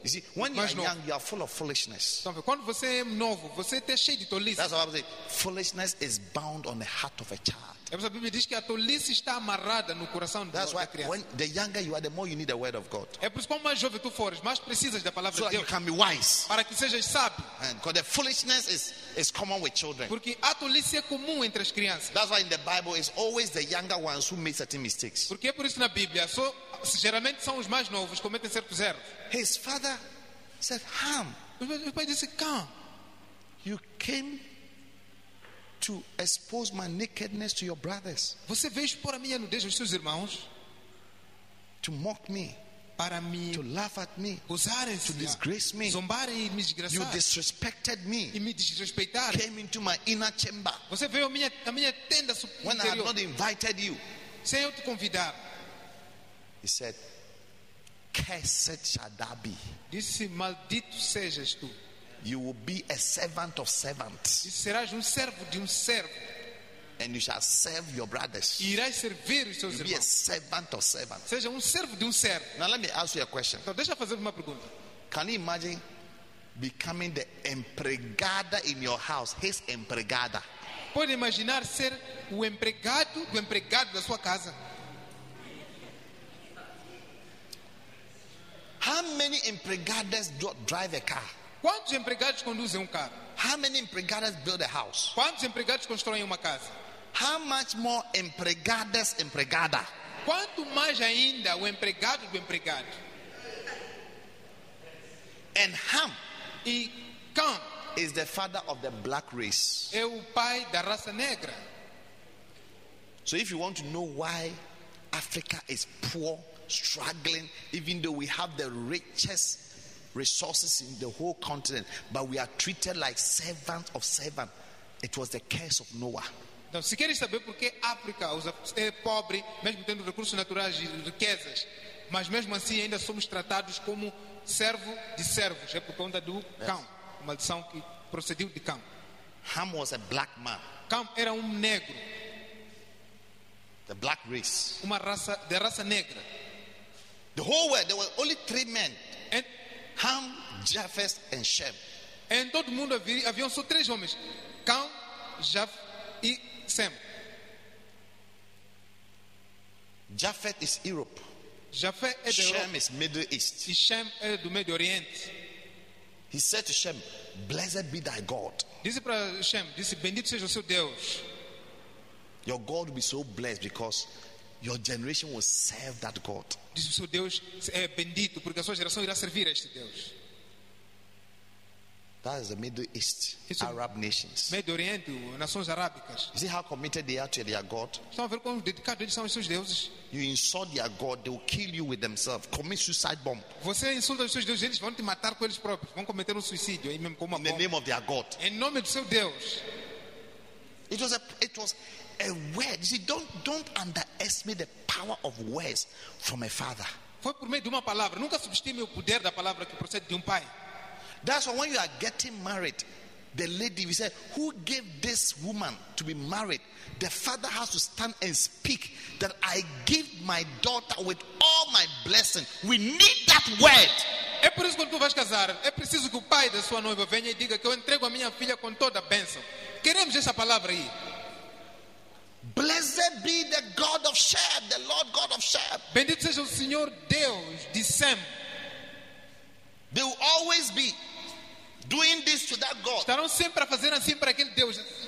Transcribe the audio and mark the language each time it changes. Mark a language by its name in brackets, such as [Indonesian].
[English] You see, when you are young, you are full of foolishness. [Portuguese] Então, quando você é novo, você está cheio de tolice. [English] That's what I was saying. Foolishness is bound on the heart of a child. [Portuguese] É porque a Bíblia diz que a tolice está amarrada no coração da criança. [English] That's why when the younger you are, the more you need the word of God. [Portuguese] É por isso que mais jovem tu fores, mais precisas da palavra de Deus. [English] So that you can be wise. [Portuguese] Para que sejas sábio. [English] Because the foolishness is common with children. [Portuguese] Porque a tolice é comum entre as crianças. [English] That's why in the Bible it's always the younger ones who make certain mistakes. [Portuguese] Porque é por isso na Bíblia só geralmente são os mais novos que cometem certos erros. [English] His father said, Ham. [Portuguese] O pai disse, Ham. [English] You came to expose my nakedness to your brothers. [Portuguese] Você veio expor a minha nudez aos seus irmãos. [English] To mock me. [Portuguese] Para me. [English] To laugh at me. [Portuguese] Usares, [English] to disgrace me. [Portuguese] Zombar e me desgraçar. [English] You disrespected me. [Portuguese] E me desrespeitar. [English] Came into my inner chamber. [Portuguese] Você veio a minha tenda superior. [English] When I had not invited you. [Portuguese] Sem eu te convidar. [English] He said, "Cursed shall thou be." [Portuguese] Disse, maldito sejas tu. [English] You will be a servant of servants. [Portuguese] E serás servo de servo. [English] And you shall serve your brothers. [Portuguese] E irás servir os seus irmãos. [English] Be a servant of servants. [Portuguese] Seja servo de servo. [English] Now let me ask you a question. [Portuguese] Então deixa eu fazer uma pergunta. [English] Can you imagine becoming the empregada in your house? His empregada. [Portuguese] Pode imaginar ser o empregado do empregado da sua casa? [English] How many empregados drive a car? [Portuguese] Quantos empregados conduzem carro? [English] How many empregados build a house? [Portuguese] Quantos empregados constroem uma casa? [English] How much more empregados empregada? [Portuguese] Quanto mais ainda o empregado do empregado? [English] And Ham [Portuguese] e Cam [English] is the father of the black race. [Portuguese] É o pai da raça negra. [English] So if you want to know why Africa is poor, struggling, even though we have the richest resources in the whole continent, but we are treated like servants of servants. It was the curse of Noah. [Portuguese] Então, se queres saber por que África é pobre, mesmo tendo recursos naturais e riquezas, mas mesmo assim ainda somos tratados como servo de servos, é por conta do Cão, a maldição que procediu de Cão. [English] Ham was a black man. [Portuguese] Cão era negro. [English] The black race. [Portuguese] Uma raça de raça negra. [English] The whole world, there were only three men. Ham, Japheth, and Shem. [Portuguese] Em todo mundo havia só três homens. Cão, Japheth e Sem. [English] Japheth is Europe. [Portuguese] Japheth é [English] Shem Europa. Is Middle East. [Portuguese] E Shem é do Medio Oriente. [English] He said to Shem, "Blessed be thy God." [Portuguese] Disse para Shem, disse, bendito seja o seu Deus. [English] Your God will be so blessed because your generation will serve that God. [Portuguese] Diz o seu Deus é bendito porque a sua geração irá servir a este Deus. [English] That is the Middle East, [Portuguese] isso, [English] Arab nations. [Portuguese] Medio Oriente, nações arábicas. [English] You see how committed they are to their God? [Portuguese] Estão a ver como dedicados eles são aos seus deuses? [English] You insult their God, they will kill you with themselves. Commit suicide bomb. [Portuguese] Você insulta os seus deuses, eles vão te matar com eles próprios. Vão cometer suicídio, mesmo com uma bomba. [English] In the name of their God. [Portuguese] Em nome do seu Deus. [English] It was a word. You see, don't underestimate the power of words from a father. [Portuguese] Foi por meio de uma palavra. Nunca subestime o poder da palavra que procede de pai. [English] That's why when you are getting married, the lady, we said, who gave this woman to be married? The father has to stand and speak that I give my daughter with all my blessing. We need that word. [Portuguese] É por isso que quando tu vais casar, é preciso que o pai da sua noiva venha e diga que eu entrego a minha filha com toda a bênção. Queremos essa palavra aí. [English] Blessed be the God of Shem, the Lord God of Shem. [Portuguese] Bendito seja o Senhor Deus de Sem. [English] They will always be doing this to that God. [Portuguese] Estarão sempre a fazer assim para aquele Deus.